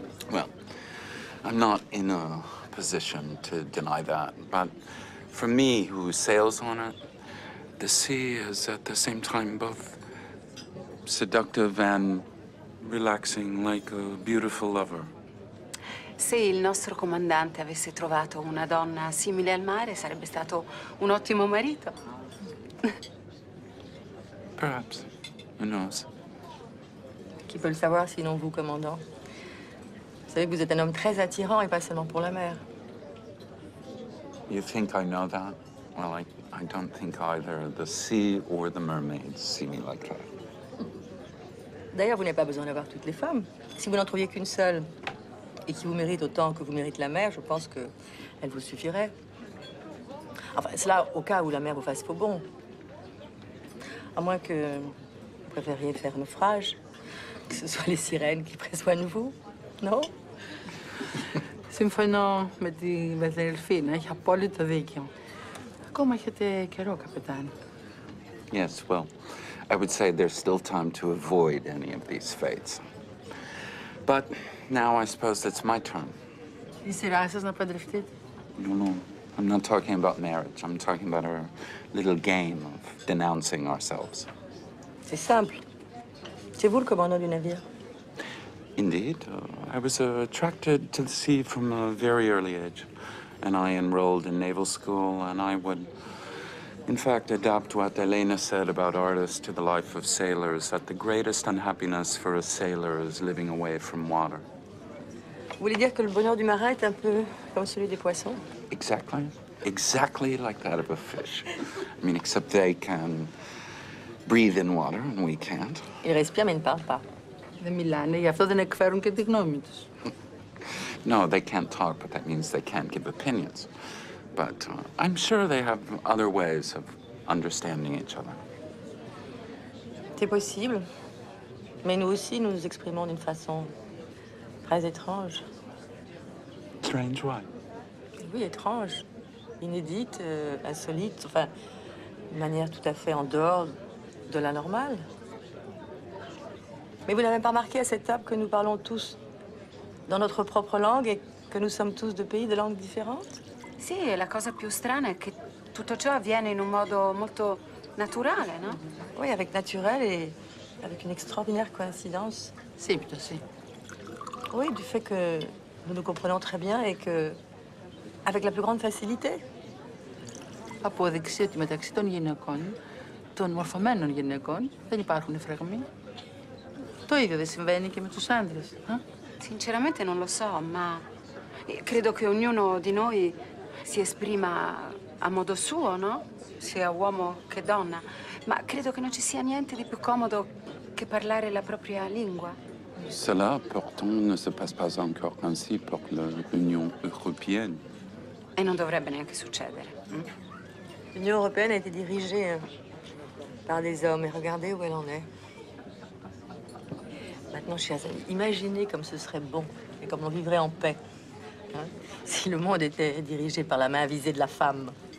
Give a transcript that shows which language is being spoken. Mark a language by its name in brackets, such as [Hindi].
[English] Well, I'm not in a position to deny that, but for me, who sails on it, the sea is at the same time both seductive and relaxing, like a beautiful lover. [Italian] Se il nostro comandante avesse trovato una donna simile al mare, sarebbe stato un ottimo marito. [English] Perhaps. Who knows? [French] Qui peut le savoir sinon vous, commandant? Vous savez, vous êtes un homme très attirant et pas seulement pour la mer. [English] You think I know that? Well, I don't think either the sea or the mermaids see me like that. [French] D'ailleurs, vous n'avez pas besoin d'avoir toutes les femmes. Si vous n'en trouviez qu'une seule et qui vous mérite autant que vous mérite la mer, je pense que elle vous suffirait. Enfin, cela au cas où la mer vous fasse faux bond. À moins que vous préfériez faire naufrage, que ce soit les sirènes qui prennent soin de vous, non? [Greek] Συμφωνώ με την Ελφίνα. Έχει απόλυτο δίκιο. Ακόμα έχετε καιρό, καπετάνη. [English] Yes, well, I would say there's still time to avoid any of these fates. But now I suppose it's my turn. [Greek] Η σειρά σας να παντρευτείτε. [English] No, no. I'm not talking about marriage. I'm talking about our little game of denouncing ourselves. [French] C'est simple. C'est vous le commandant du navire? [English] Indeed. I was attracted to the sea from a very early age. And I enrolled in naval school, and I would, in fact, adapt what Elena said about artists to the life of sailors, that the greatest unhappiness for a sailor is living away from water. [French] Vous voulez dire que le bonheur du marin est un peu comme celui des poissons? [English] Exactly. Exactly like that of a fish. I mean, except they can breathe in water, and we can't. [French] Ils respirent, mais ils ne parlent pas. [Greek] Δεν μιλάνε, γι' αυτό δεν εκφέρουν και τη γνώμη τους. [English] No, they can't talk, but that means they can't give opinions. But I'm sure they have other ways of understanding each other. [French] C'est possible. Mais nous aussi, nous nous exprimons d'une façon très étrange. [English] Strange why? [French] Oui, étrange. Inédite, insolite, enfin, de manière tout à fait en dehors de la normale. Mais vous n'avez pas remarqué à cette table que nous parlons tous dans notre propre langue et que nous sommes tous de pays de langues différentes? [Italian] Sì, la cosa più strana è che tutto ciò avviene in un modo molto naturale, no? [French] Oui, avec naturel et avec une extraordinaire coïncidence. [Italian] Sì, plutôt sì. [French] Oui, du fait que nous nous comprenons très bien et que avec la plus grande facilité. [Greek] Απόδειξη ότι μεταξύ των γυναικών, των μορφωμένων γυναικών, δεν υπάρχουν φραγμοί. Το ίδιο δεν συμβαίνει και με τους άντρες. [Italian] Sinceramente non lo so, ma credo che ognuno di noi si esprima a modo suo, no? Sia uomo che donna. Ma credo che non ci sia niente di più comodo che parlare la propria lingua. [French] Cela pourtant ne se passe pas encore ainsi pour l'Union européenne. [Italian] E non dovrebbe neanche succedere. [French] L'Union européenne a été dirigée par des hommes et regardez où elle en est. Maintenant, chers amis, imaginez comme ce serait bon et comme on vivrait en paix si le monde était dirigé par la main avisée de la femme.